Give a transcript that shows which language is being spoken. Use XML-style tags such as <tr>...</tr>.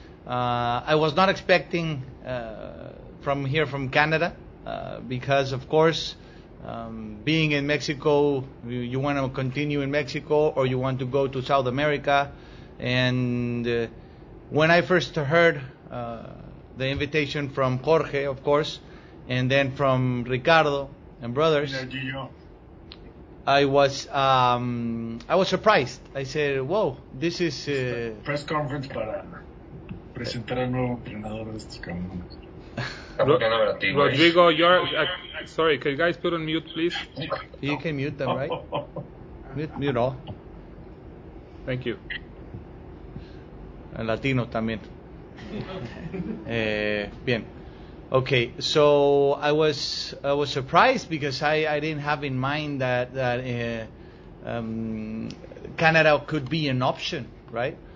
<en>I was not expecting from here, from Canada, because, of course, being in Mexico, you want to continue in Mexico or you want to go to South America. And when I first heard the invitation from Jorge, of course, and then from Ricardo and brothers, I was surprised. I said, whoa, this is... press conference</en> <es>para presentar al nuevo entrenador de estos campeones.</es> <en>Rodrigo, you're sorry, can you guys put on mute, please? You can mute them, right? Mute all. Thank you.</en> <es>Latino también. bien.</es> <en>Okay, so I was surprised because I didn't have in mind that Canada could be an option, right?</en>